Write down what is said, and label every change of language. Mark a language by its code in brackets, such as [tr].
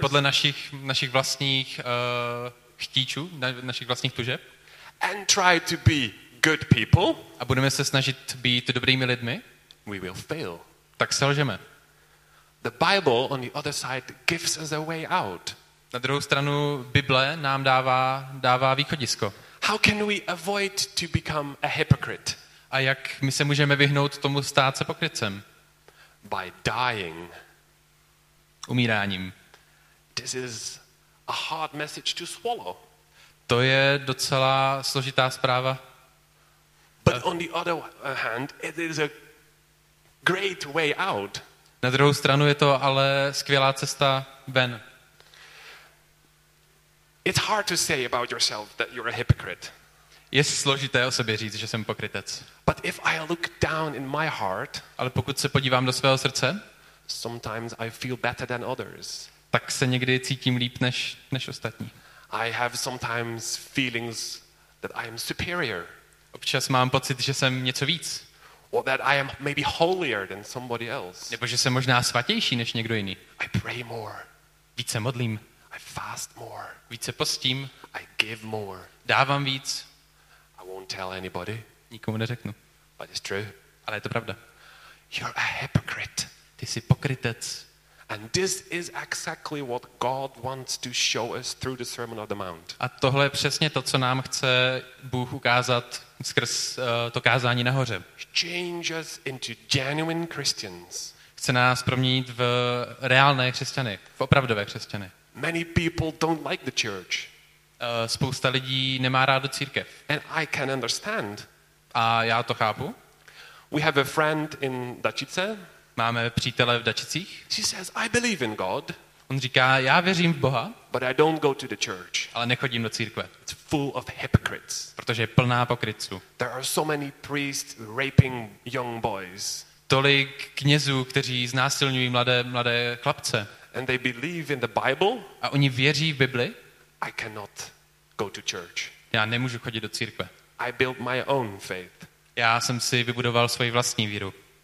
[cs] podle našich vlastních chtíčů, našich vlastních tužeb, [en] and try to be good people, [cs] a budeme se snažit být dobrými lidmi, [en] we will fail. [cs] Tak selžeme. [en] The Bible on the other side gives us a way out. [cs] Na druhou stranu Bible nám dává východisko. [en] How can we avoid to become a hypocrite? [cs] A jak my se můžeme vyhnout tomu stát se pokrytcem? [en] By dying. [cs] Umíráním. [en] This is a hard message to swallow. [cs] To je docela složitá zpráva. [en] But on the other hand, it is a great way out. [cs] Na druhou stranu je to ale skvělá cesta ven. [en] It's hard to say about yourself that you're a hypocrite. [cs] Je složité o sobě říct, že jsem pokrytec. [en] But if I look down in my heart, [cs] ale pokud se podívám do svého srdce, [en] sometimes I feel better than others. [cs] Tak se někdy cítím líp než ostatní. [en] I have sometimes feelings that I am superior. [cs] Občas mám pocit, že jsem něco víc. [en] Or that I am maybe holier than somebody else. [cs] Nebo že jsem možná svatější než někdo jiný. [en] I pray more. [cs] Víc se modlím. [en] I fast more. [cs] Více postím. [en] I give more. [cs] Dávám víc. [en] I won't tell anybody. [cs] Nikomu neřeknu. [en] But it's true. [cs] Ale je to pravda. [en] You're a hypocrite. [cs] Ty jsi pokrytec. [en] And this is exactly what God wants to show us through the Sermon on the Mount. [cs] A tohle je přesně to, co nám chce Bůh ukázat skrz to kázání nahoře. [en] Change us into genuine Christians. [cs] Chce nás proměnit v reálné křesťany, v opravdové křesťany. [en] Many people don't like the church. [cs] Spousta lidí nemá rádo církev. [en] And I can understand. [cs] A já to chápu. [en] We have a friend in Dačice. [cs] Máme přítele v Dačicích. [en] She says, I believe in God. [cs] On říká, já věřím v Boha. [en] But I don't go to the church. [cs] Ale nechodím do církve. [en] It's full of hypocrites. [cs] Protože je plná pokrytců. [en] There are so many priests raping young boys. [cs] Tolik knězů, kteří znásilňují mladé chlapce. [en] And they believe in the Bible. [cs] A oni věří v Bibli. [en] I cannot go to church. [cs] Já nemůžu chodit do církve. [en] I built my own faith. [cs] Já jsem si vybudoval svoji vlastní víru.